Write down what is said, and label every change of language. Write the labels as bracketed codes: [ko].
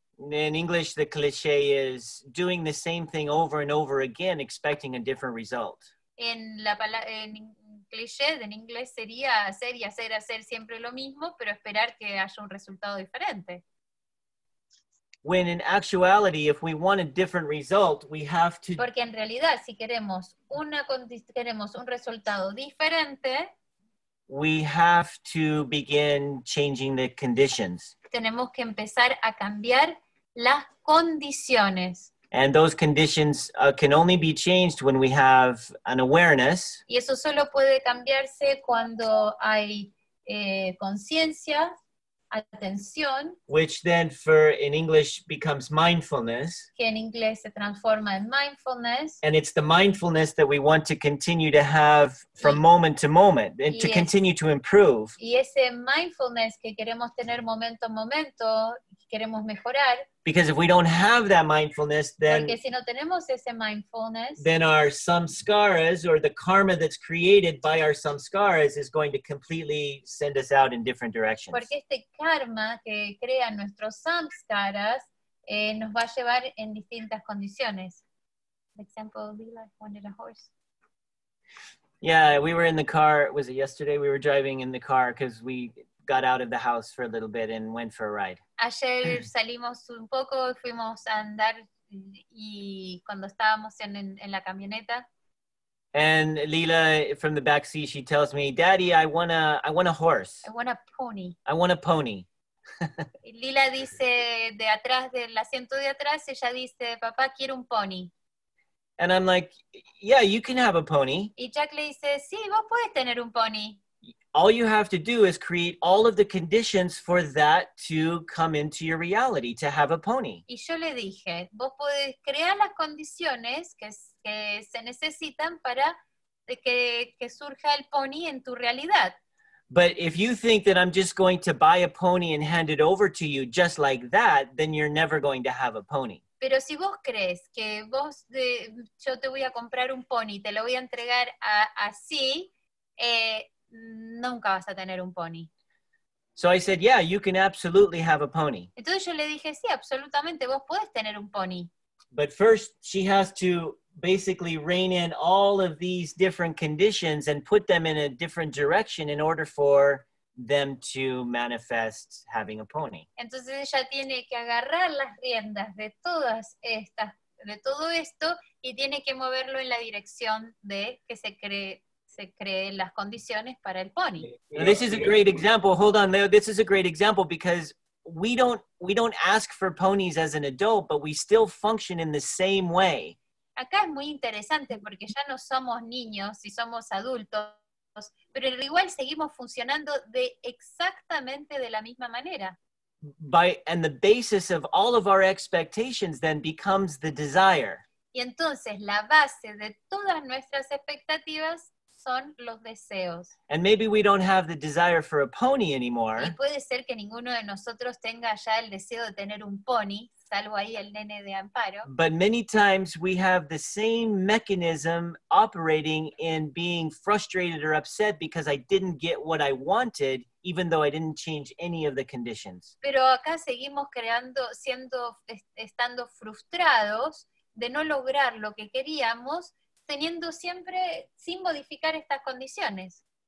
[en] In English, the cliché is doing the same thing over and over again, expecting a different result. [es] En inglés sería hacer siempre lo mismo, pero esperar que haya un resultado diferente. [en] When in actuality, if we want a different result, we have to. [es] Porque en realidad, si queremos un resultado diferente, [en] we have to begin changing the conditions. [es] Tenemos que empezar a cambiar las condiciones. [en] And those conditions can only be changed when we have an awareness. [es] Y eso solo puede cambiarse cuando hay conciencia, atención. [en] Which then, for in English, becomes mindfulness. [es] Que en inglés se transforma en mindfulness. [en] And it's the mindfulness that we want to continue to have from moment to moment, and to continue to improve. [es] Y ese mindfulness que queremos tener momento a momento, queremos mejorar. [en] Because if we don't have that mindfulness, then, [es] porque si no tenemos ese mindfulness, [en] then our samskaras or the karma that's created by our samskaras is going to completely send us out in different directions. [es] Porque este karma que crea nuestros samskaras nos va a llevar en distintas condiciones. [en] Example, Lila wanted a horse. Yeah, we were in the car. Was it yesterday? We were driving in the car because we got out of the house for a little bit and went for a ride. [es] Ayer salimos un poco, fuimos a andar, y cuando estábamos en la camioneta. [en] And Lila from the back seat, she tells me, "Daddy, I want a horse. I want a pony. I want a pony." [es] Lila dice de atrás del asiento de atrás, ella dice, "Papá, quiero un pony." [en] And I'm like, yeah, you can have a pony. [es] Y Jack le dice, sí, vos puedes tener un pony. [en] All you have to do is create all of the conditions for that to come into your reality, to have a pony. [es] Y yo le dije, vos puedes crear las condiciones que se necesitan para que surja el pony en tu realidad. [en] But if you think that I'm just going to buy a pony and hand it over to you just like that, then you're never going to have a pony. [es] Pero si vos crees que yo te voy a comprar un pony, te lo voy a entregar así, nunca vas a tener un pony. [en] So I said, yeah, you can absolutely have a pony. [es] Entonces yo le dije, sí, absolutamente, vos puedes tener un pony. [en] But first, she has to basically rein in all of these different conditions and put them in a different direction in order for them to manifest having a pony. [es] Entonces ella tiene que agarrar las riendas de todas estas, de todo esto, y tiene que moverlo en la dirección de que se creen las condiciones para el pony. [en] Now, this is a great example. Hold on, Leo. This is a great example because we don't ask for ponies as an adult, but we still function in the same way. [es] Acá es muy interesante porque ya no somos niños y somos adultos. Pero igual seguimos funcionando de exactamente de la misma manera. [en] And the basis of all of our expectations then becomes the desire. [es] Y entonces la base de todas nuestras expectativas son los deseos. [en] And maybe we don't have the desire for a pony anymore. [es] Y puede ser que ninguno de nosotros tenga ya el deseo de tener un pony, salvo ahí el nene de Amparo. [en] But many times we have the same mechanism operating in being frustrated or upset because I didn't get what I wanted, even though I didn't change any of the conditions. [es] Pero acá seguimos creando, estando frustrados de no lograr lo que queríamos, teniendo siempre, sin modificar estas condiciones.